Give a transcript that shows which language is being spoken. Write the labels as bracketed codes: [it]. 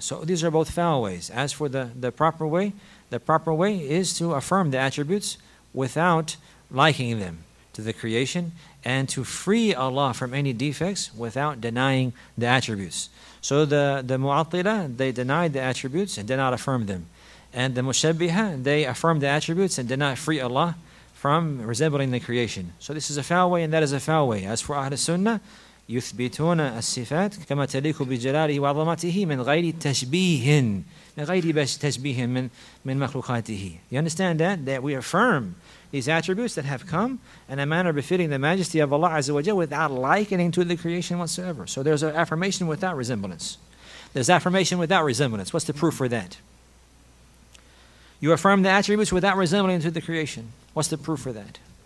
[en] So these are both foul ways. As for the proper way is to affirm the attributes without liking them to the creation, and to free Allah from any defects without denying the attributes. So the Mu'attilah, they denied the attributes and did not affirm them. And the Mushabbiha, they affirm the attributes and did not free Allah from resembling the creation. So this is a foul way, and that is a foul way. As for Ahl Sunnah, [ar] يُثْبِتُونَ الصِّفَاتِ كَمَا تَلِيكُ بِجَلَالِهِ وَعَظَمَتِهِ مِنْ غَيْرِ تَشْبِيهٍ مِنْ غَيْرِ تَشْبِيهٍ مِنْ مَخْلُوقَاتِهِ. [en] You understand that? That we affirm these attributes that have come in a manner befitting the majesty of Allah Azza wa Jalla without likening to the creation whatsoever. So there's an affirmation without resemblance. There's affirmation without resemblance. What's the proof for that? You affirm the attributes without resembling to the creation. What's the proof for that?